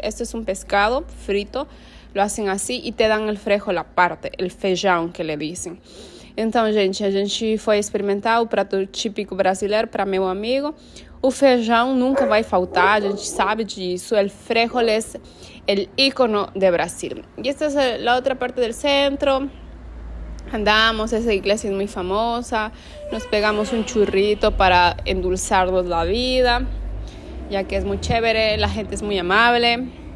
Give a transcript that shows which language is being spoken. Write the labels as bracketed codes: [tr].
[es] Este es un pescado frito, lo hacen así y te dan el frejo, la parte, el feijão que le dicen. Entonces, [pt] a gente [es] fue experimentar el plato típico brasileño para mi amigo. [pt] O feijão nunca vai faltar, a gente sabe disso. [es] El frijol es el ícono de Brasil. Y esta es la otra parte del centro. Andamos, esa iglesia es muy famosa. Nos pegamos un churrito para endulzarnos la vida, ya que es muy chévere, la gente es muy amable.